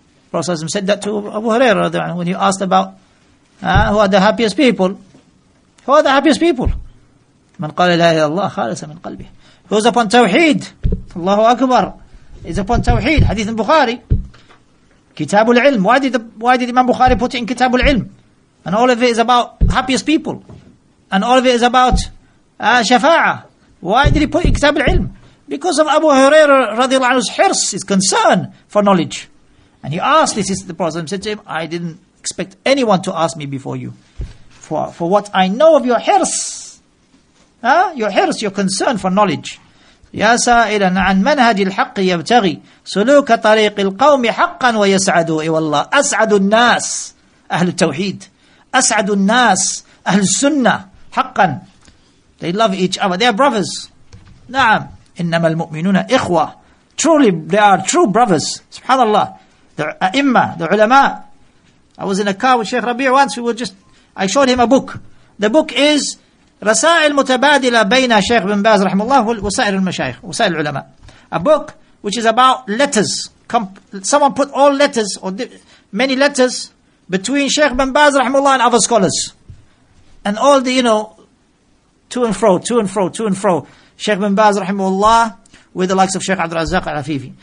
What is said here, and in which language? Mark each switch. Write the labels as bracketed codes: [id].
[en] Prophet said that to Abu Hurairah when he asked about who are the happiest people. Who are the happiest people? [ar] من قال لا اله الا الله خالصا من قلبه. [en] Who's upon tawheed? [ar] الله اكبر. [en] Is upon tawheed. Hadith in Bukhari. Kitab al-ilm. Why did Imam Bukhari put it in Kitab al-ilm? And all of it is about happiest people. And all of it is about shafa'ah. Why did he put it in Kitab al-ilm? Because of Abu Hurairah radiallahu anhu's hirs, his concern for knowledge. And he asked this to the Prophet and said to him, I didn't expect anyone to ask me before you. For what I know of your hirs. Your hirs, your concern for knowledge. [ar] يا سائلا عن منهج الحق يبتغي سلوك طريق القوم حقا ويسعدوا. اي والله اسعد الناس اهل التوحيد. اسعد الناس اهل السنه حقا. [en] They love each other. They are brothers. [ar] نعم انما المؤمنون اخوه. [en] Truly they are true brothers. [ar] سبحان الله. [en] The ائمه, the علماء. I was in a car with Sheikh Rabi once. I showed him a book. The book is [ar] رسائل متبادلة بين شيخ بن باز رحمه الله وسائر المشايخ وسائر العلماء. [en] A book which is about letters. Someone put all letters or many letters between Sheikh bin Baz [ar] رحمه الله [en] and other scholars. And all the, you know, to and fro. Sheikh bin Baz [ar] رحمه الله [en] with the likes of Sheikh عبد الرزاق العفيفي.